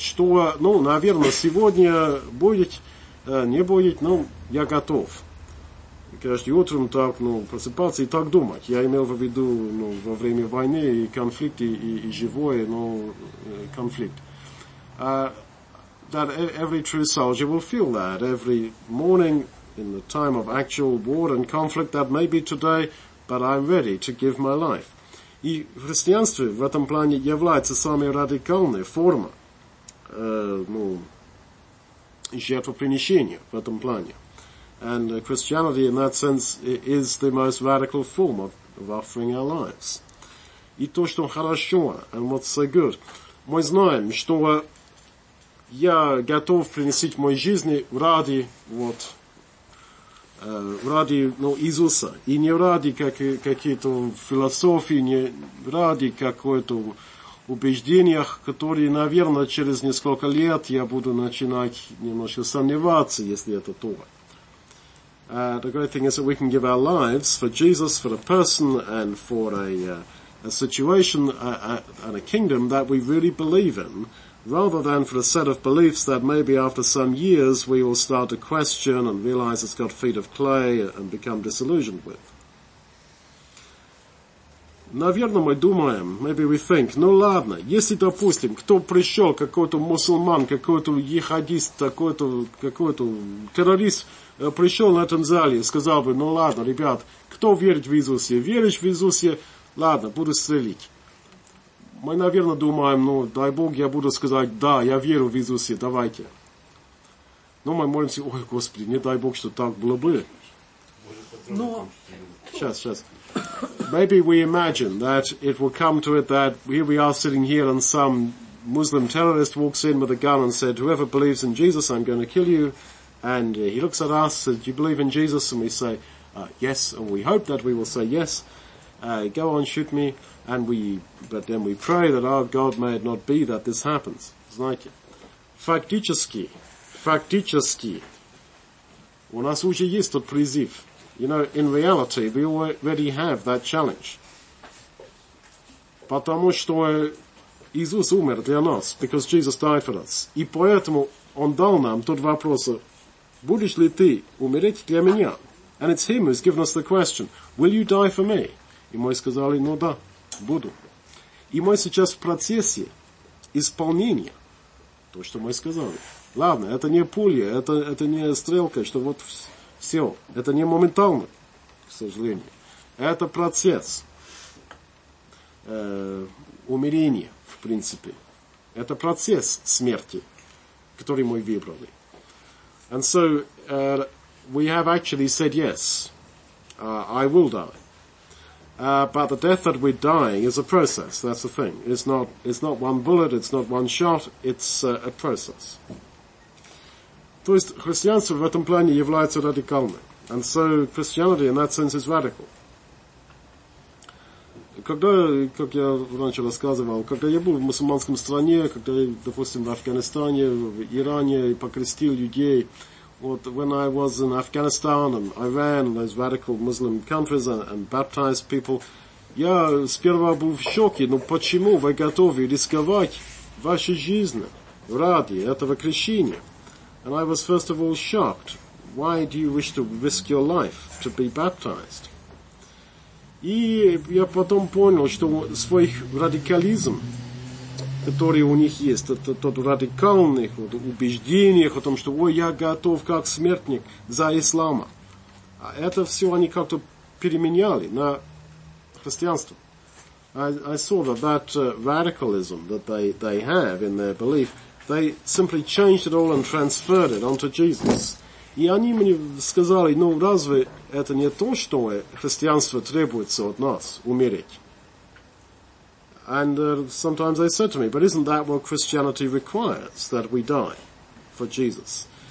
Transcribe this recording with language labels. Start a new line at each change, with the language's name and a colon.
Russian: Что, ну, наверное, сегодня будет, не будет, но я готов. Каждый утром так, ну, просыпаться и так думать. Я имел в виду, ну, во время войны и конфликты, и живой, ну, конфликт.
English: That every true soldier will feel that every morning in the time of actual war and conflict, that may be today, but I'm ready to give my life.
Russian: И в христианстве в этом плане является самой радикальной формой, ну, жертвоприношения в этом плане.
English: And Christianity, in that sense, is the most radical form of offering our lives.
Russian: И то, что хорошо,
English: and what's so good.
Russian: Мы знаем, что я готов принести мою жизнь ради, вот, ради, ну, Иисуса. И не ради какие-то философии, не ради какой-то убеждениях, которые, наверное, через несколько лет я буду начинать немножко сомневаться, если это то.
English: The great thing is that we can give our lives for Jesus, for a person, and for a situation and a kingdom that we really believe in, rather than for a set of beliefs that maybe after some years we will start to question and realize it's got feet of clay and become disillusioned with.
Russian: Наверное, мы думаем,
English: maybe we think,
Russian: ну ладно, если, допустим, кто пришел, какой-то мусульман, какой-то ехадист, какой-то террорист, пришел на этом зале и сказал бы, ну ладно, ребят, кто верит в Иисусе? Веришь в Иисусе? Ладно, буду стрелить. Мы, наверное, думаем, ну, дай Бог, я буду сказать, да, я верю в Иисусе, давайте. Но мы молимся, ой, Господи, не дай Бог, что так было бы. Но... Сейчас.
English: Maybe we imagine that it will come to it that here we are sitting here and some Muslim terrorist walks in with a gun and said, whoever believes in Jesus, I'm going to kill you. And he looks at us, says, do you believe in Jesus? And we say, yes, and we hope that we will say yes. Go on, shoot me. And but then we pray that our God may it not be that this happens.
Russian: Знаете, фактически, у нас уже есть тот призыв.
English: You know, in reality, we already have that challenge.
Russian: Потому что Иисус умер для нас,
English: because Jesus died for us.
Russian: И поэтому он дал нам тот вопрос, будешь ли ты умереть для меня?
English: And it's him who's given us the question, will you die for me?
Russian: И мы сказали, ну да, буду. И мы сейчас в процессе исполнения, то, что мы сказали. Ладно, это не пуля, это не стрелка, что вот все. Это не моментально, к сожалению. Это процесс умерения, в принципе. Это процесс смерти, который мы выбрали.
English: And so we have actually said yes, I will die. But the death that we're dying is a process. That's the thing. It's not one bullet. It's not one shot. It's a process.
Russian: То есть христианство в этом плане является радикальным.
English: And so Christianity in that sense is radical.
Russian: Когда, как я раньше рассказывал, когда я был в мусульманском стране, когда, допустим, в Афганистане, в Иране, покрестил людей, вот,
English: when I was in Afghanistan and Iran, those radical Muslim countries, and baptized people,
Russian: я сперва был в шоке, ну почему вы готовы рисковать вашу жизнь ради этого крещения?
English: And I was first of all shocked. Why do you wish to risk your life to be baptized?
Russian: И я потом понял, что свой радикализм, который у них есть, тот радикальных вот, убеждениях о том, что ой, я готов как смертник за ислама. А это все они как-то переменяли на христианство.
English: I saw that radicalism that they have in their belief, they simply changed it all and transferred it onto Jesus.
Russian: И они мне сказали, ну разве это не то, что христианство требуется от нас, умереть?
English: And sometimes they said to me, but isn't that what Christianity requires, that we die for Jesus?